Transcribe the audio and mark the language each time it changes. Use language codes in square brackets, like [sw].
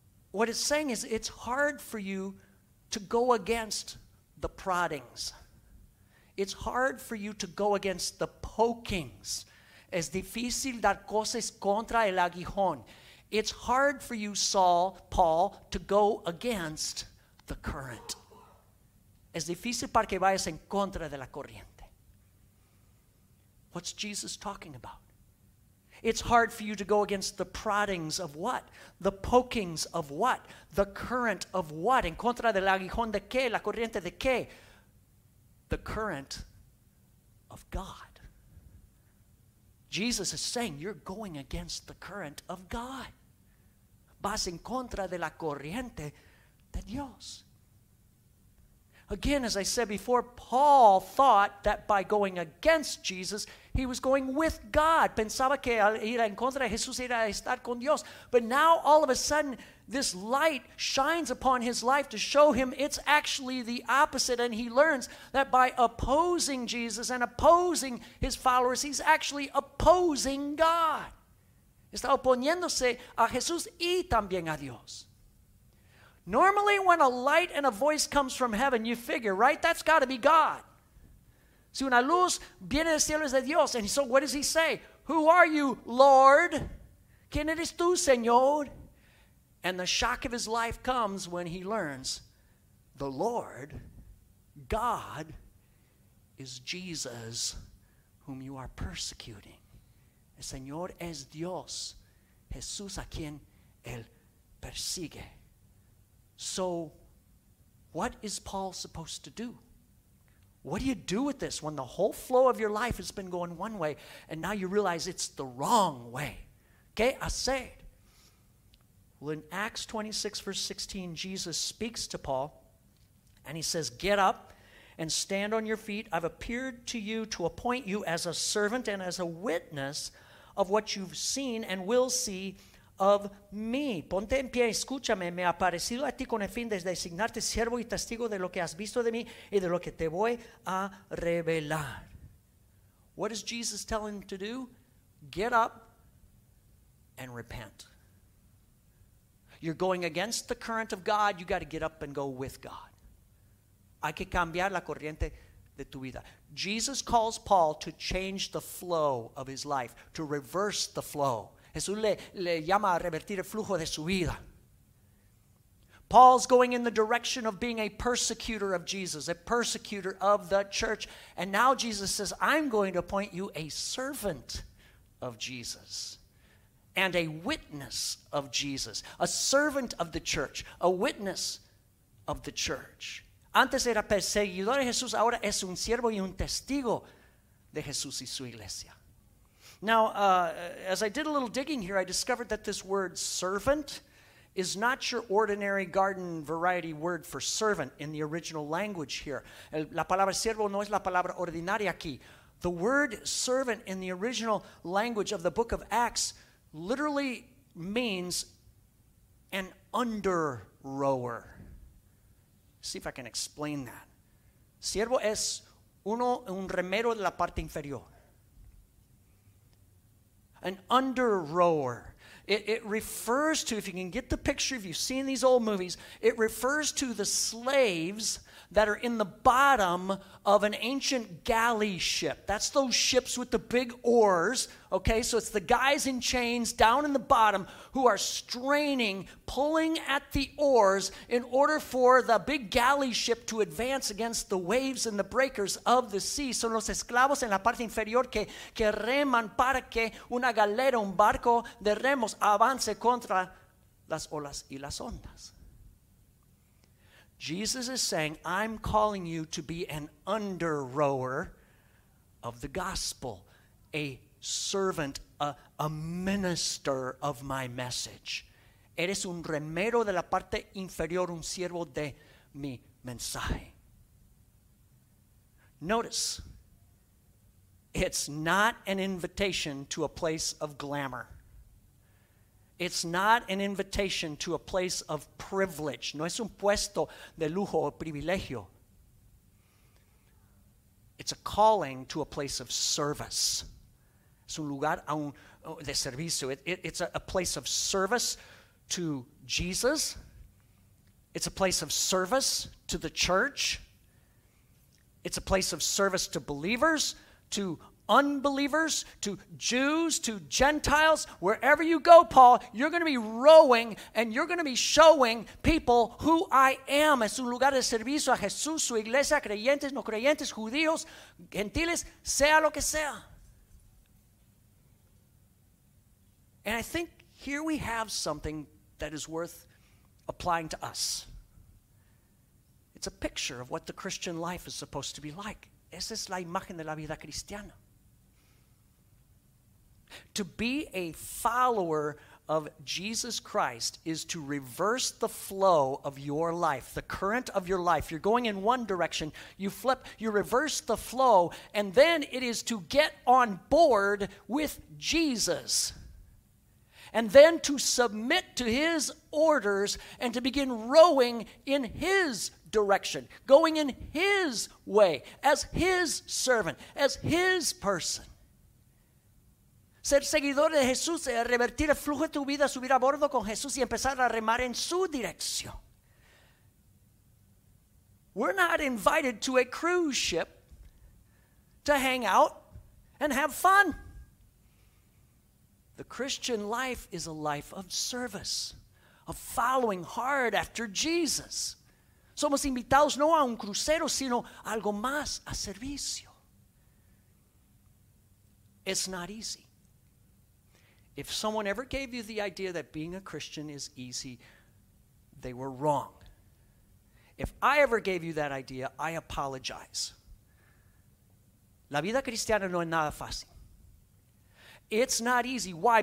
[en] What it's saying is it's hard for you to go against the proddings. It's hard for you to go against the pokings. [es] Es difícil dar cosas contra el aguijón. [en] It's hard for you, Saul, Paul, to go against the current. [es] Es difícil para que vayas en contra de la corriente. [en] What's Jesus talking about? It's hard for you to go against the proddings of what? The pokings of what? The current of what? [es] En contra del aguijón de qué? La corriente de qué? [en] The current of God. Jesus is saying you're going against the current of God. [es] Vas en contra de la corriente de Dios. [en] Again, as I said before, Paul thought that by going against Jesus, he was going with God. [es] Pensaba que al ir en contra de Jesús era estar con Dios. [en] But now, all of a sudden, this light shines upon his life to show him it's actually the opposite. And he learns that by opposing Jesus and opposing his followers, he's actually opposing God. [es] Está oponiéndose a Jesús y también a Dios. [en] Normally, when a light and a voice comes from heaven, you figure, right? That's got to be God. [es] Si una luz viene del cielo es de Dios. [en] And so what does he say? Who are you, Lord? [es] ¿Quién eres tú, Señor? [en] And the shock of his life comes when he learns the Lord, God, is Jesus whom you are persecuting. [es] El Señor es Dios, Jesús a quien él persigue. [en] So, what is Paul supposed to do? What do you do with this when the whole flow of your life has been going one way and now you realize it's the wrong way? [es] ¿Qué hacer? [en] Well, in Acts 26, verse 16, Jesus speaks to Paul and he says, get up and stand on your feet. I've appeared to you to appoint you as a servant and as a witness of what you've seen and will see of me. [es] Ponte en pie, escúchame, me ha aparecido a ti con el fin de designarte siervo y testigo de lo que has visto de mí y de lo que te voy a revelar. [en] What is Jesus telling him to do? Get up and repent. You're going against the current of God, you got to get up and go with God. [es] Hay que cambiar la corriente de tu vida. [en] Jesus calls Paul to change the flow of his life, to reverse the flow. [es] Jesús le llama a revertir el flujo de su vida. [en] Paul's going in the direction of being a persecutor of Jesus, a persecutor of the church. And now Jesus says, I'm going to appoint you a servant of Jesus and a witness of Jesus, a servant of the church, a witness of the church. [es] Antes era perseguidor de Jesús, ahora es un siervo y un testigo de Jesús y su iglesia. [en] Now, as I did a little digging here, I discovered that this word servant is not your ordinary garden variety word for servant in the original language here. [es] La palabra siervo no es la palabra ordinaria aquí. [en] The word servant in the original language of the book of Acts literally means an under rower. See if I can explain that. [es] Siervo es uno, un remero de la parte inferior. [en] An under rower. It refers to, if you can get the picture, if you've seen these old movies, it refers to the slaves that are in the bottom of an ancient galley ship. That's those ships with the big oars, okay? So it's the guys in chains down in the bottom who are straining, pulling at the oars in order for the big galley ship to advance against the waves and the breakers of the sea. [es] Son los esclavos en la parte inferior que reman para que una galera, un barco de remos avance contra las olas y las ondas. [en] Jesus is saying, I'm calling you to be an under rower of the gospel, a servant, a minister of my message. [es] Eres un remero de la parte inferior, un siervo de mi mensaje. [en] Notice, it's not an invitation to a place of glamour. It's not an invitation to a place of privilege. [es] No es un puesto de lujo o privilegio. [en] It's a calling to a place of service. [es] Es un lugar a un de servicio. [en] It's a place of service to Jesus. It's a place of service to the church. It's a place of service to believers, to unbelievers, to Jews, to Gentiles. Wherever you go, Paul, you're going to be rowing and you're going to be showing people who I am. [es] Es un lugar de servicio a Jesús, su iglesia, creyentes, no creyentes, judíos, gentiles, sea lo que sea. [en] And I think here we have something that is worth applying to us. It's a picture of what the Christian life is supposed to be like. [es] Esa es la imagen de la vida cristiana. [en] To be a follower of Jesus Christ is to reverse the flow of your life, the current of your life. You're going in one direction, you flip, you reverse the flow, and then it is to get on board with Jesus. And then to submit to his orders and to begin rowing in his direction, going in his way, as his servant, as his person. [es] Ser seguidor de Jesús es revertir el flujo de tu vida, subir a bordo con Jesús y empezar a remar en su dirección. [en] We're not invited to a cruise ship to hang out and have fun. The Christian life is a life of service, of following hard after Jesus. [es] Somos invitados no a un crucero, sino algo más, a servicio. [en] It's not easy. If someone ever gave you the idea that being a Christian is easy, they were wrong. If I ever gave you that idea, I apologize. [es] La vida cristiana no es nada fácil. [en] It's not easy. Why?